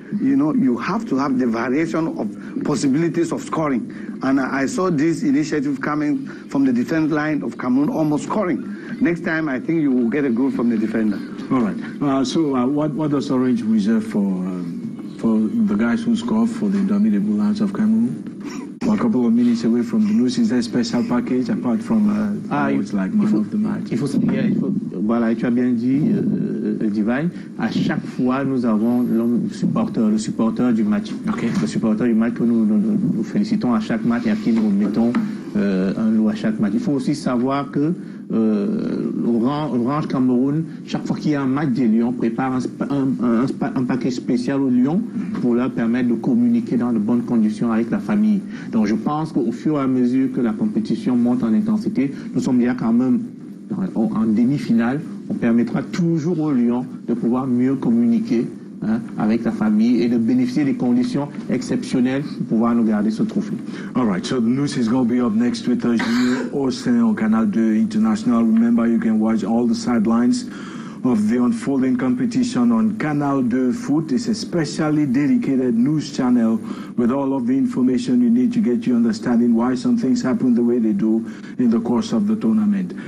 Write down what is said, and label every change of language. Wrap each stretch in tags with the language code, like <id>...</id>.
<en>You know, you have to have the variation of possibilities of scoring, and I saw this initiative coming from the defense line of Cameroon almost scoring. Next time, I think you will get a goal from the defender. All right. What does Orange reserve for the guys who score for the indomitable lands of Cameroon? A couple of minutes away from the news, is there a special package apart from</en> <fr>Il faut, voilà, tu as bien dit, Divine, à chaque fois nous avons l'homme supporter, le supporter du match.</fr> <en>Okay.</en> <fr>Le supporter du match que nous félicitons à chaque match et à qui nous mettons un lot à chaque match. Il faut aussi savoir que Orange Cameroun, chaque fois qu'il y a un match des Lions, prépare un paquet spécial aux Lions pour leur permettre de communiquer dans de bonnes conditions avec la famille. Donc je pense qu'au fur et à mesure que la compétition monte en intensité, nous sommes déjà quand même en demi-finale, on permettra toujours aux Lions de pouvoir mieux communiquer avec la famille et de bénéficier des conditions exceptionnelles pour pouvoir nous garder ce trophée.</fr> <en>All right, so the news is going to be up next with Julien Austin on Canal 2 International. Remember, you can watch all the sidelines of the unfolding competition on Canal 2 Foot. It's a specially dedicated news channel with all of the information you need to get you understanding why some things happen the way they do in the course of the tournament.</en>